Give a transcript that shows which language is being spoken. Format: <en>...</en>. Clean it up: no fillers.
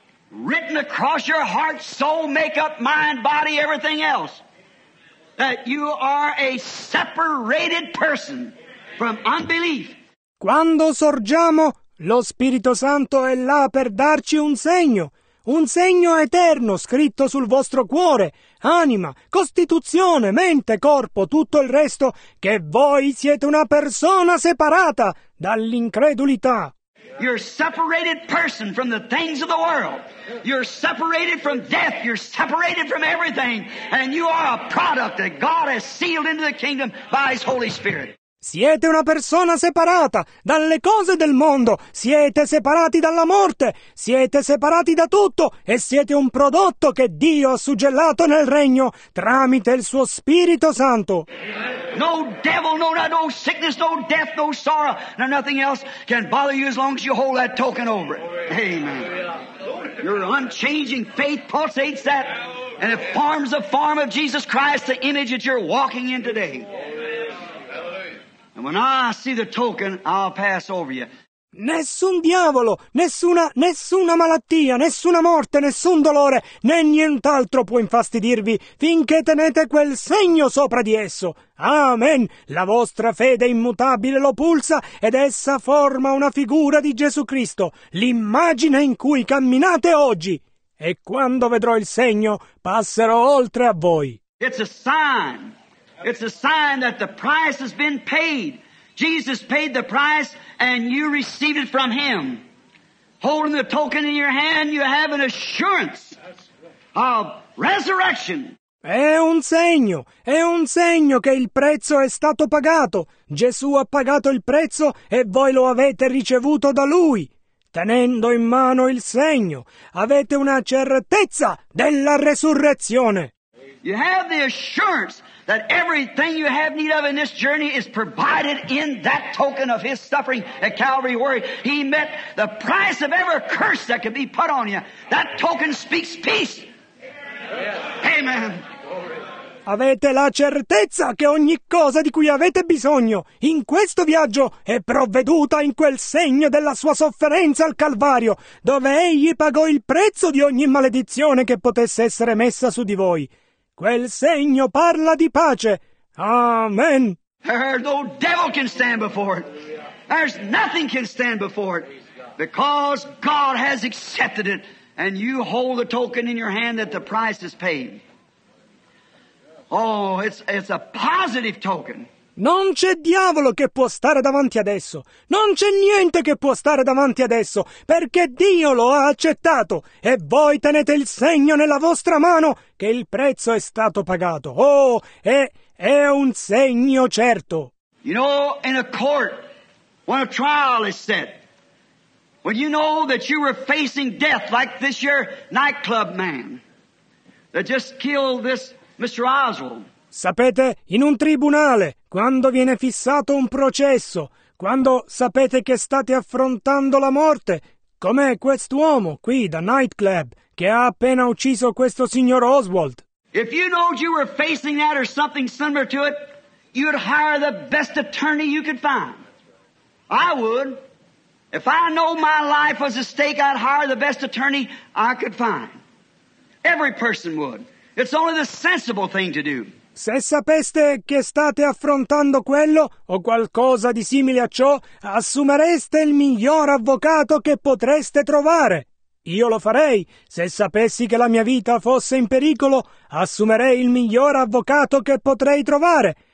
<en>Written across your heart, soul, makeup, mind, body, everything else, that you are a separated person from unbelief.</en> <it>Quando sorgiamo, lo Spirito Santo è là per darci un segno eterno scritto sul vostro cuore, anima, costituzione, mente, corpo, tutto il resto, che voi siete una persona separata dall'incredulità.</it> <en>You're a separated person from the things of the world. You're separated from death. You're separated from everything. And you are a product that God has sealed into the kingdom by His Holy Spirit.</en> <it>Siete una persona separata dalle cose del mondo. Siete separati dalla morte. Siete separati da tutto. E siete un prodotto che Dio ha suggellato nel regno tramite il suo Spirito Santo. Amen.</it> <en>No devil, no not, no sickness, no death, no sorrow, no nothing else can bother you as long as you hold that token over it. Amen. Your unchanging faith pulsates that and it forms the form of Jesus Christ, the image that you're walking in today. And when I see the token, I'll pass over you.</en> <it>Nessun diavolo, nessuna malattia, nessuna morte, nessun dolore, né nient'altro può infastidirvi finché tenete quel segno sopra di esso. Amen. La vostra fede immutabile lo pulsa ed essa forma una figura di Gesù Cristo, l'immagine in cui camminate oggi. E quando vedrò il segno, passerò oltre a voi.</it> <en>It's a sign. It's a sign that the price has been paid. Jesus paid the price and you received it from Him. Holding the token in your hand, you have an assurance of resurrection.</en> <it>È un segno che il prezzo è stato pagato. Gesù ha pagato il prezzo e voi lo avete ricevuto da Lui. Tenendo in mano il segno, avete una certezza della resurrezione.</it> <en>You have the assurance that everything you have need of in this journey is provided in that token of His suffering at Calvary, where He met the price of every curse that could be put on you. That token speaks peace. Amen. Amen.</en> <it>Avete la certezza che ogni cosa di cui avete bisogno in questo viaggio è provveduta in quel segno della sua sofferenza al Calvario, dove Egli pagò il prezzo di ogni maledizione che potesse essere messa su di voi. Quel segno parla di pace. Amen.</it> <en>No devil can stand before it. There's nothing can stand before it. Because God has accepted it. And you hold the token in your hand that the price is paid. Oh, it's a positive token.</en> <it>Non c'è diavolo che può stare davanti adesso. Non c'è niente che può stare davanti adesso. Perché Dio lo ha accettato. E voi tenete il segno nella vostra mano che il prezzo è stato pagato. Oh, è un segno certo.</it> <en>You know, in a court, when a trial is set, when you know that you were facing death like this year nightclub man that just killed this Mr. Oswald.</en> <it>Sapete, in un tribunale, quando viene fissato un processo, quando sapete che state affrontando la morte, com'è quest'uomo qui da nightclub che ha appena ucciso questo signor Oswald?</it> <en>If you know you were facing that or something similar to it, you'd hire the best attorney you could find. I would. If I know my life was at stake, I'd hire the best attorney I could find. Every person would. It's only the sensible thing to do.</en> <it>Se sapeste che state affrontando quello o qualcosa di simile a ciò, assumereste il miglior avvocato che potreste trovare. Io lo farei. Se sapessi che la mia vita fosse in pericolo, assumerei il miglior avvocato che potrei trovare.</it>